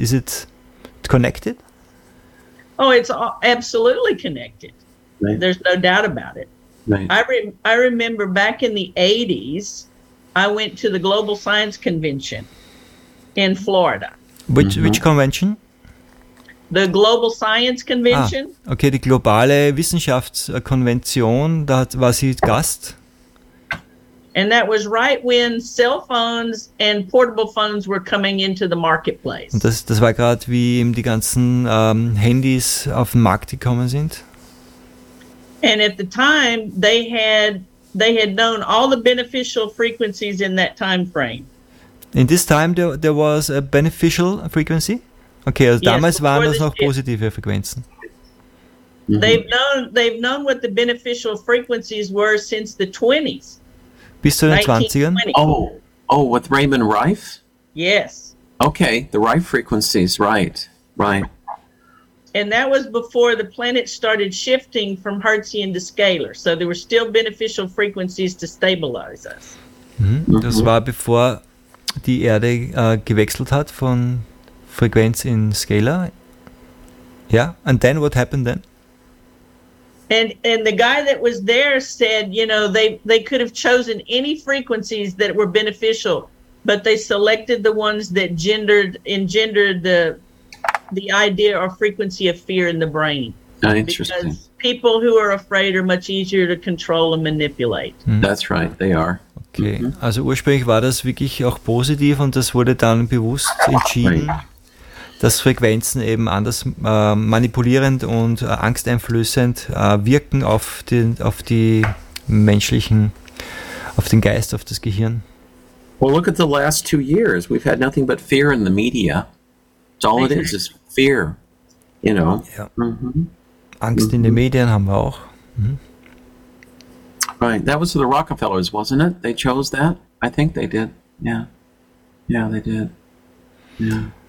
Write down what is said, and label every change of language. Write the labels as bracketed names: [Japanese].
[English] Is it connected? Oh, it's absolutely connected. Right. There's no doubt about it. Right. I remember back in the 80s, I went to the Global Science Convention in Florida. Which convention? The Global Science Convention. [German] Ah, okay, die globale Wissenschaftskonvention, da war sie Gast. [English] And that was right when cell phones and portable phones were coming into the marketplace. [German] Und das war gerade, wie eben die ganzen Handys auf den Markt gekommen sind. [English] And at the time, they had known all the beneficial frequencies in that time frame. In this time, there was a beneficial frequency? [German] Okay, also yes, damals waren das noch positive Frequenzen. [English] They've known what the beneficial frequencies were since the 20s. [German] Bis zu den 20ern? [English] Oh, with Raymond Rife? Yes. Okay, the Rife frequencies, right. And that was before the planet started shifting from Hertzian to Scalar. So there were still beneficial frequencies to stabilize us. [German] Das war bevor die Erde gewechselt hat von Frequenz in Scalar. [English] Yeah, and then what happened then? And the guy that was there said, you know, they could have chosen any frequencies that were beneficial, but they selected the ones that engendered the idea or frequency of fear in the brain. Interesting. Because people who are afraid are much easier to control and manipulate. That's right, they are. [German] Okay, also ursprünglich war das wirklich auch positiv und das wurde dann bewusst entschieden. Right. Dass Frequenzen eben anders manipulierend und angsteinflößend wirken auf den Geist, auf das Gehirn. [English] Well, look at the last 2 years. We've had nothing but fear in the media. It's all it is fear, you know. [German] Yeah. Mm-hmm. Angst in den Medien haben wir auch. [English] Mm-hmm. Right, that was the Rockefellers, wasn't it? They chose that? I think they did. Yeah, they did. Yeah.